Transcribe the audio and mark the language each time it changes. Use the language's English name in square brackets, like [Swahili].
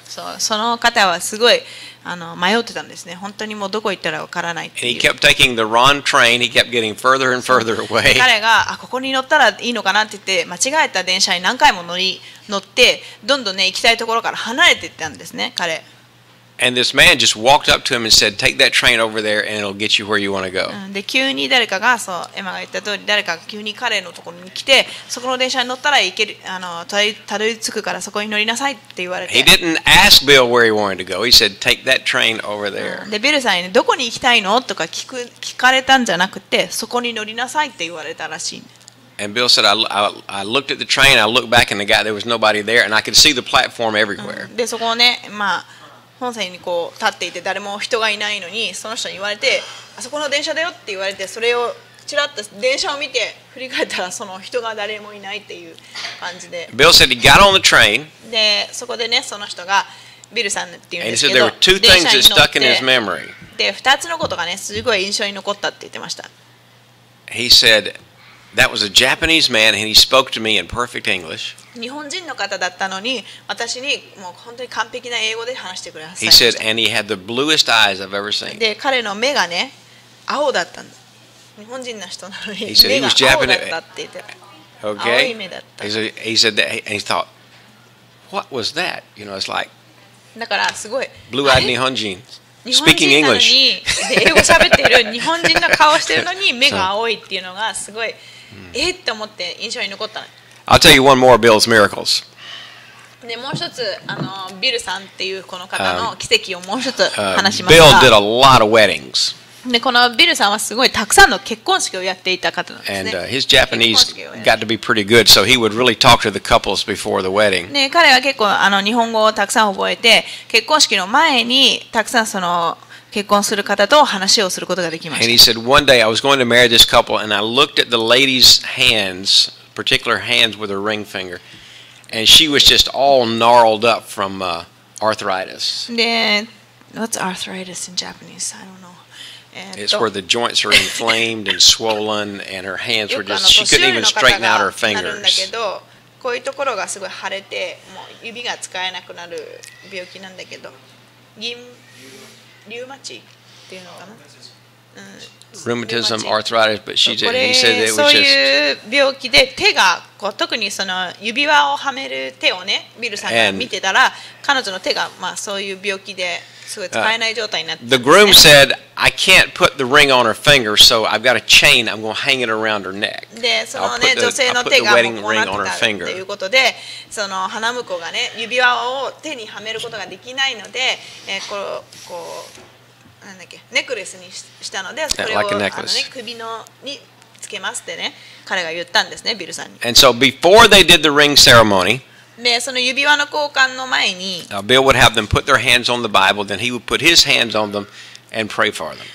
[Japanese] そう、その方はすごいあの迷ってたんですね。本当にもうどこ行ったらわからないっていう。 [English] And he kept taking the wrong train. He kept getting further and further away. [Japanese] 彼があここに乗ったらいいのかなって言って間違えた電車に何回も乗ってどんどんね行きたいところから離れていったんですね。彼。 [English] And this man just walked up to him and said, "Take that train over there, and it'll get you where you want to go." [Japanese] で急に誰かがそうエマが言った通り誰かが急に彼のところに来てそこの電車に乗ったら行けるあのたどり着くからそこに乗りなさいって言われて。 [English] He didn't ask Bill where he wanted to go. He said, "Take that train over there." [Japanese] でビルさんにどこに行きたいのとか聞かれたんじゃなくてそこに乗りなさいって言われたらしい。 [English] And Bill said, I looked at the train. I looked back, and the guy there was nobody there, and I could see the platform everywhere." [Japanese] でそこをねまあ本線にこう立っていて誰も人がいないのにその人に言われてあそこの電車だよって言われてそれをちらっと電車を見て振り返ったらその人が誰もいないっていう感じで [English] Bill said he got on the train. [Japanese] でそこでねその人がビルさんって言うんですけど [English] And he said there were two things that stuck in his memory. [Japanese] で2つのことがねすごい印象に残ったって言ってました [English] He said that was a Japanese man and he spoke to me in perfect English. [Japanese] 日本人の方だったのに私にもう本当に完璧な英語で話してくれました。 [English] He said, and he had the bluest eyes I've ever seen. [Japanese] で彼の目がね青だったんだ。日本人の人なのに目が青だったって言って。 [English] Okay. [Japanese] 青い目だった。 [English] He said that and he thought, what was that? You know, it's like. [Japanese] だからすごい。 [English] Blue-eyed [Japanese] 日本人。 [English] Speaking English. [Japanese] 日本人なのに英語喋ってる日本人の顔してるのに目が青いっていうのがすごい。えって思って印象に残ったの。 [English] I'll tell you one more of Bill's miracles. [Japanese] でもう一つあのビルさんっていうこの方の奇跡をもう一つ話しますが。 [English] Bill did a lot of weddings. [Japanese] でこのビルさんはすごいたくさんの結婚式をやっていた方なんですね。 [English] And his Japanese got to be pretty good, so he would really talk to the couples before the wedding. [Japanese] ね彼は結構あの日本語をたくさん覚えて結婚式の前にたくさんその結婚する方と話をすることができました。 [English] And he said one day I was going to marry this couple and I looked at the lady's hands. Particular hands with her ring finger, and she was just all gnarled up from arthritis. Yeah, what's arthritis in Japanese? I don't know. It's where the joints are inflamed and swollen, and her hands were just she couldn't even straighten out her fingers. [Japanese] なるんだけど、こういうところがすごい腫れて、もう指が使えなくなる病気なんだけど、リウマチっていうのかな。 [English] Rheumatism, arthritis, but she did. He said it was [Japanese] そういう病気で手がこう特にその指輪をはめる手をね、ビルさんが見てたら、彼女の手がまあそういう病気で [English] The groom said, I can't put the ring on her finger, so I've got a chain, I'm going to hang it around her neck. I'll put the wedding ring on her finger. And so before they did the ring ceremony, Bill would have them put their hands on the Bible, then he would put his hands on them and pray for them.